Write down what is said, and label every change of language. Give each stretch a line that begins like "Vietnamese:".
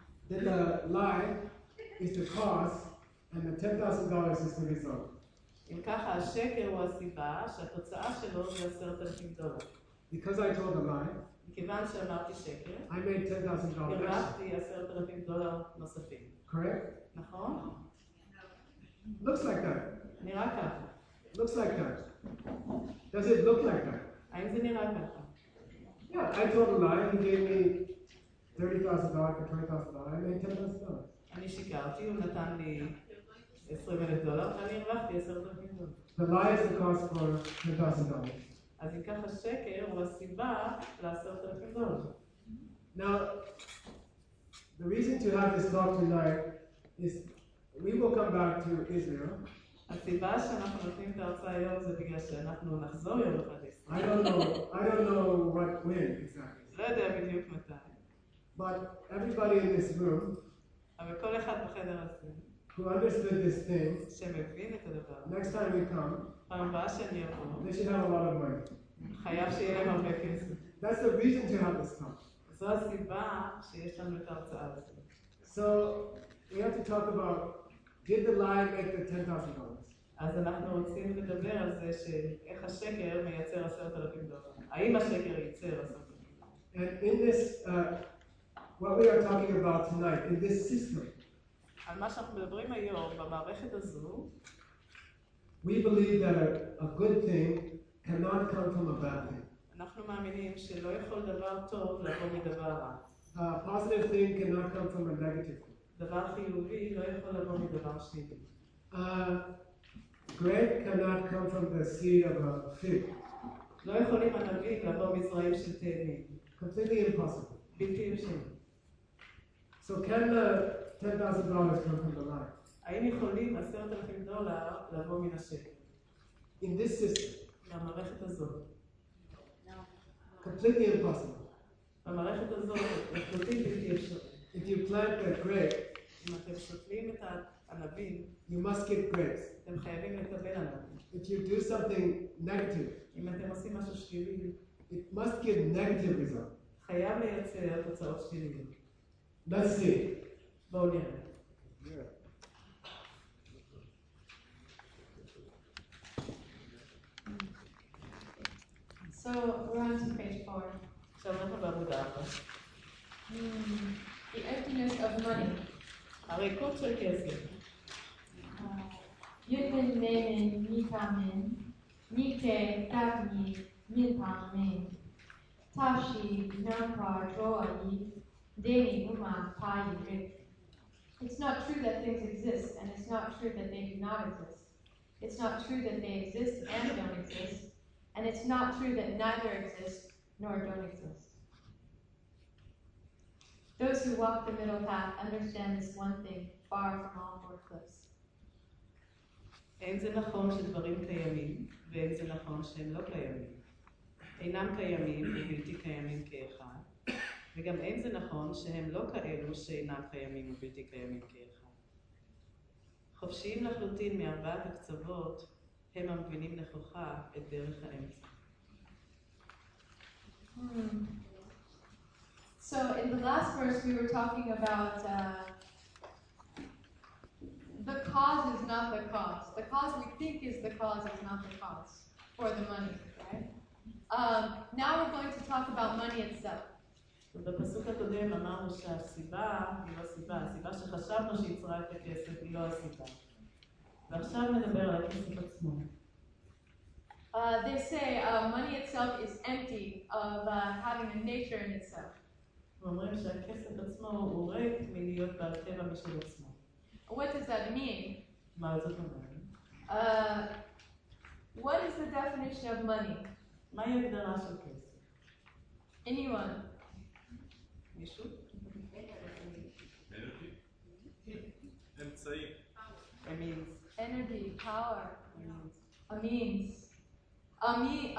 English: Then the lie is the cause, and the $10,000 is the result.
Hebrew: אם ככה, השקר הוא הסיבה שהתוצאה שלו זה 10,000 דולר.
English: Because I told a lie,
Hebrew: מכיוון שאמרתי שקר,
English: I made $10,000.
Hebrew: הרווחתי 10,000 דולר נוספים.
English: Correct?
Hebrew: נכון?
English: Looks like that.
Hebrew: נראה ככה.
English: Looks like that. Does it look like that?
Hebrew: האם זה נראה ככה?
English: Yeah, I told a lie, he gave me $30,000 for $20,000, I made $10,000.
Hebrew: אני שיקרתי, הוא נתן לי 20,000 דולר, ואני הרווחתי 10,000 דולר.
English: The lie is the cost for $10,000.
Hebrew: אז אם ככה שקר הוא הסיבה ל-10,000 דולר.
English: Now, the reason to have this talk tonight is we will come back to Israel.
Hebrew: הסיבה שאנחנו נותנים את ההרצאה היום זה בגלל שאנחנו נחזור יום אחד לישראל.
English: I don't know what when exactly.
Hebrew: לא יודע בדיוק מתי.
English: But everybody in this room,
Hebrew: אבל כל אחד בחדר הזה,
English: who understood this thing,
Hebrew: שמבין את הדבר,
English: next time we come,
Hebrew: פעם הבאה שאני אבוא,
English: they should have a lot of money.
Hebrew: חייב שיהיה להם הרבה כסף.
English: That's the reason to have this talk.
Hebrew: זו הסיבה שיש לנו את ההרצאה הזאת.
English: So we have to talk about, did the lie make the $10,000?
Hebrew: אז אנחנו רוצים לדבר על זה שאיך השקר מייצר 10,000 דולר. האם השקר ייצר 10,000 דולר?
English: And in this, what we are talking about tonight, in this system,
Hebrew: על מה שאנחנו מדברים היום במערכת הזו,
English: we believe that a good thing cannot come from a bad thing.
Hebrew: אנחנו מאמינים שלא יכול דבר טוב לבוא מדבר רע.
English: A positive thing cannot come from a negative thing.
Hebrew: דבר חיובי לא יכול לבוא מדבר שלילי.
English: Bread cannot come from the seed of a fig.
Hebrew: לא יכולים ענבים לבוא מזרעים של תאנים.
English: Completely impossible.
Hebrew: בלתי אפשרי.
English: So can the $10,000 come from the lie?
Hebrew: האם יכולים 10,000 דולר לבוא מן השקר?
English: In this system.
Hebrew: במערכת הזאת.
English: Completely impossible.
Hebrew: במערכת הזאת, לחלוטין בלתי אפשרי.
English: If you plant a grape,
Hebrew: אם אתם שותלים את הענבים,
English: you must get grapes.
Hebrew: אתם חייבים לקבל ענבים.
English: If you do something negative,
Hebrew: אם אתם עושים משהו שלילי,
English: it must get negative result.
Hebrew: חייב לייצר תוצאות שליליות.
English: Let's see.
Hebrew: בואו נראה.
English: So we're on to page 4. So I'm talking about the data. The emptiness of money.
Hebrew: הרי קוד של כסף. יוטן נמן מי פעמן, מי כתבי מי פעמן. תשי נמפה ג'ואי, דמי אומה פאי ריק.
English: It's not true that things exist, and it's not true that they do not exist. It's not true that they exist and don't exist. And it's not true that neither exist nor don't exist. Those who walk the middle path understand this one thing far from all or close.
Hebrew: אין זה נכון שדברים קיימים, ואין זה נכון שהם לא קיימים. אינם קיימים ובלתי קיימים כאחד, וגם אין זה נכון שהם לא כאלו שאינם קיימים ובלתי קיימים כאחד. חופשיים לחלוטין מארבעת הקצוות, הם המבינים נכוחה את דרך האמצע.
English: So in the last verse we were talking about the cause is not the cause. The cause we think is the cause is not the cause for the money, right? Now we're going to talk about money itself.
Hebrew: בפסוק הקודם אמרנו שהסיבה היא לא סיבה. הסיבה שחשבנו שיצרה את הכסף היא לא הסיבה. ועכשיו נדבר על הכסף עצמו.
English: They say money itself is empty of having a nature in itself.
Hebrew: אומרים שהכסף עצמו הוא ריק מלהיות בעל טבע משל עצמו.
English: What does that mean?
Hebrew: מה זאת אומרת?
English: What is the definition of money?
Hebrew: מהי הגדרה של כסף?
English: Anyone? Mishu? Energy? Emtsai? A means. Energy, power. A means. A means.